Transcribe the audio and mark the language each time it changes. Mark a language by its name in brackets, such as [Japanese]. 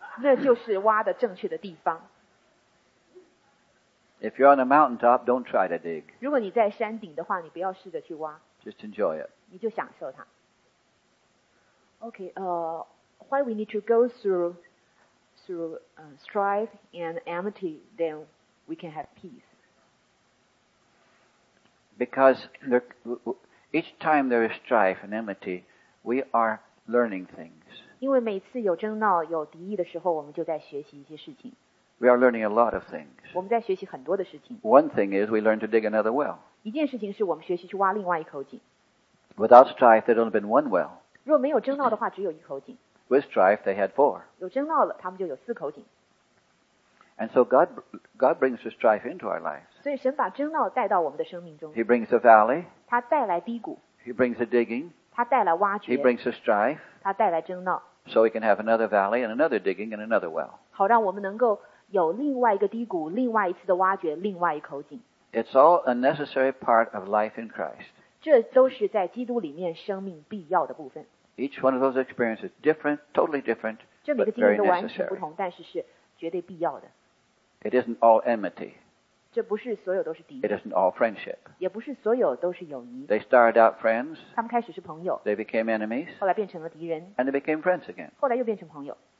[Chinese] 那就是挖的正确的地方。 [English] If you're on a mountaintop, don't try to dig. [Chinese] 如果你在山顶的话，你不要试着去挖。 [English] Just enjoy it. [Chinese] 你就享受它。 [English] Okay, why we need to go through strife and enmity, then we can have peace. Because each time there is strife and enmity, we are learning things. [Chinese] 因为每次有争闹、有敌意的时候，我们就在学习一些事情。 [English] We are learning a lot of things. [Chinese] 我们在学习很多的事情。 [English] One thing is we learn to dig another well. [Chinese] 一件事情是我们学习去挖另外一口井。 [English] Without strife, there'd only been one well. [Chinese] 若没有争闹的话，只有一口井。 [English] With strife, they had four. [Chinese] 有争闹了，他们就有四口井。 [English] And so God brings the strife into our lives. [Chinese] 所以神把争闹带到我们的生命中。 [English] He brings the valley. [Chinese] 他带来低谷。 [English] He brings the digging. [Chinese] 他带来挖掘。 [English] He brings the strife. [Chinese] 他带来争闹。 [English] So we can have another valley and another digging and another well. [Chinese] 好让我们能够有另外一个低谷，另外一次的挖掘，另外一口井。 [English] It's all a necessary part of life in Christ. [Chinese] 这都是在基督里面生命必要的部分。 [English] Each one of those experiences is different, totally different, but very necessary. [Chinese] 这每个经历都完全不同，但是是绝对必要的。 [English] It isn't all enmity. [Chinese] 这不是所有都是敌意。 [English] It isn't all friendship. [Chinese] 也不是所有都是友谊。 [English] They started out friends. [Chinese] 他们开始是朋友。 [English] They became enemies. [Chinese] 后来变成了敌人。 [English] And they became friends again. [Chinese] 后来又变成朋友。